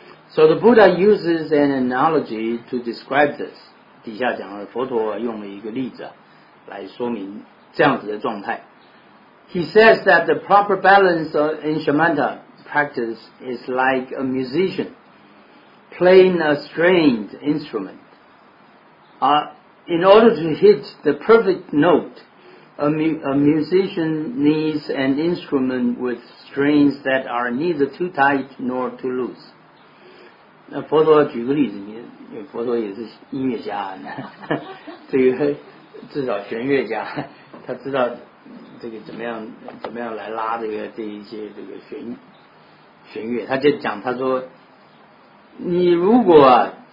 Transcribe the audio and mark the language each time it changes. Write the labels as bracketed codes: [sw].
[en] So the Buddha uses an analogy to describe this. [zh] 底下讲了佛陀用了一个例子、啊、来说明这样子的状态。 [en] He says that the proper balance in shamatha. Practice is like a musician playing a stringed instrument. In order to hit the perfect note, a musician needs an instrument with strings that are neither too tight nor too loose. [zh] 那佛陀举个例子，你佛陀也是音乐家，这个至少弦乐家，他知道这个怎么样来拉这个这一些这个弦乐，他就讲，他说，你如果、啊、